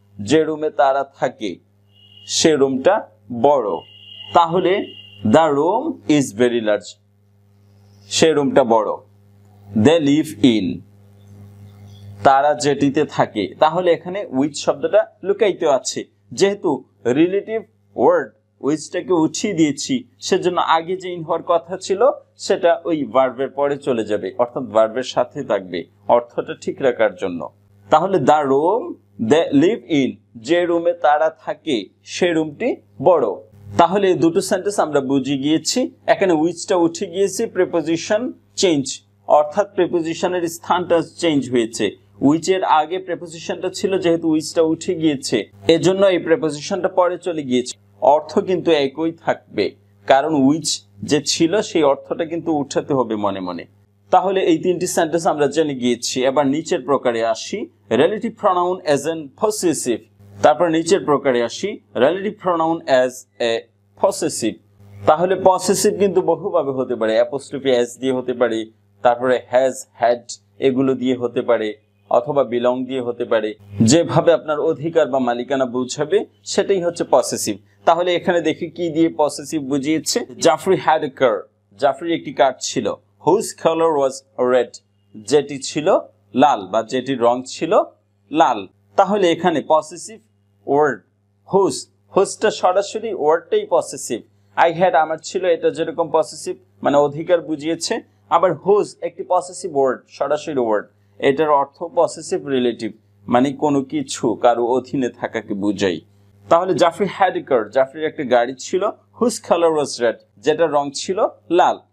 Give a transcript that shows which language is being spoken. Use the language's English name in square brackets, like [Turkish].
[Bangla] যে রুমে তারা থাকে সে রুমটা বড়. তাহলে [English] the room is very large, [Bangla] সে রুমটা বড়. [English] They live in, [Bangla] তারা যেটিতে থাকে. তাহলে এখানে which শব্দটা লুকাইতে আছে, যেহেতু relative word which-টাকে উঠিয়ে দিয়েছি, সেজন্য আগে যে in হওয়ার কথা ছিল সেটা ওই verb এর পরে চলে যাবে, অর্থাৎ verb এর সাথে থাকবে অর্থটা ঠিক রাখার জন্য. তাহলে [English] the room they live in, [Bangla] যে রুমে তারা থাকে সে রুমটি বড়. তাহলে দুটো সেন্টেন্স আমরা বুঝে গিয়েছি. এখানে which-টা উঠে গিয়েছে, preposition change, অর্থাৎ prepositionের স্থানটা change হয়েছে. Which এর আগে prepositionটা ছিল, যেহেতু which-টা উঠে গিয়েছে এজন্য এই prepositionটা পরে চলে গিয়েছে. অর্থ কিন্তু একই থাকবে, কারণ which যে ছিল সেই অর্থটা কিন্তু উঠাতে হবে মনে মনে. তাহলে এই তিনটি সেন্টেন্স আমরা জেনে গিয়েছি. এবার নিচের প্রকারে আসি, [English] relative pronoun as an possessive. [Bangla] তারপর নিচের প্রকারে আসি, [English] relative pronoun as a possessive. [Bangla] তাহলে possessive কিন্তু বহুভাবে হতে পারে, apostrophe as দিয়ে হতে পারে, তারপরে has, had এগুলো দিয়ে হতে পারে, অথবা belong দিয়ে হতে পারে. যেভাবে আপনার অধিকার বা মালিকানা বুঝাবে সেটাই হচ্ছে possessive. তাহলে এখানে দেখি কি দিয়ে possessive বুঝিয়েছে. Jafri [English] had a car, [Bangla] Jafri একটি কার ছিল. [English] Whose color was red, [Bangla] যেটি ছিল লাল বা যেটি রং ছিল লাল. তাহলে এখানে possessive word whose, whose-টা সরাসরি word-টাই possessive. [English] I had, [Bangla] আমার ছিল, এটা যেরকম possessive মানে অধিকার বুঝিয়েছে. আবার whose একটি possessive word, সরাসরি word, এটার অর্থ possessive relative মানে কোনো কিছু কারো অধীনে থাকাকে বুঝাই. তাহলে জাফরি [English] had a car, [Bangla] জাফরির একটা গাড়ি ছিল. [English] Whose color was red, [Bangla] যেটা রং ছিল লাল.